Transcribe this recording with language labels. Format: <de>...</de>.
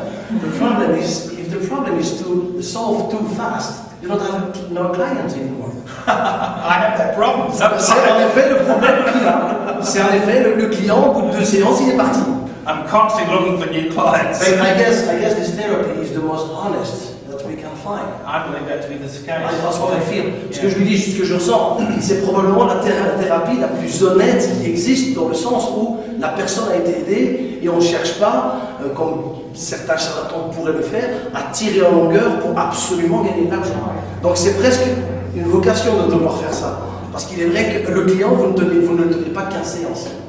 <en>The problem is to solve too fast, you don't have no clients anymore. I have that problem. C'est en effet le problème client. C'est en effet le client, au bout de deux séances, il est parti. I'm constantly looking for new clients. But I guess this therapy is the most honest that we can find. I believe that to be the case. That's what I feel. Yeah.</en> <fr>Ce que je lui dis, ce que je ressens, c'est probablement la thérapie la plus honnête qui existe dans le sens où la personne a été aidée et on ne cherche pas, comme certains charlatans pourraient le faire, à tirer en longueur pour absolument gagner de l'argent. Donc c'est presque une vocation de devoir faire ça. Parce qu'il est vrai que le client, vous ne tenez pas 15 séances.</fr>